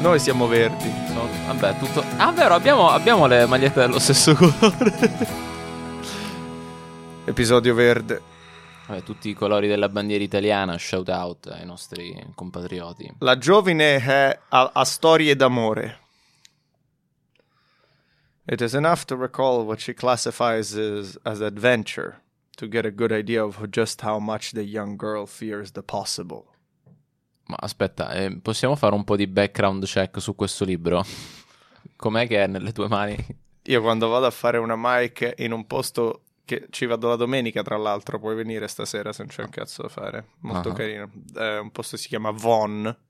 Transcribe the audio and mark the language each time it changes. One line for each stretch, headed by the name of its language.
Italian: Noi siamo verdi. Vabbè, tutto... Ah, vero, abbiamo le magliette dello stesso colore. Episodio verde. Vabbè, tutti i colori della bandiera italiana, shout out ai nostri compatrioti. La giovine ha storie d'amore.
English: It is enough to recall what she classifies as adventure to get a good idea of just how much the young girl fears the possible.
Italian: Ma aspetta, possiamo fare un po' di background check su questo libro? Com'è che è nelle tue mani? Io quando vado a fare una mic in un posto che ci vado la domenica, tra l'altro, puoi venire stasera se non c'è un cazzo da fare. Molto carino. Un posto si chiama Von.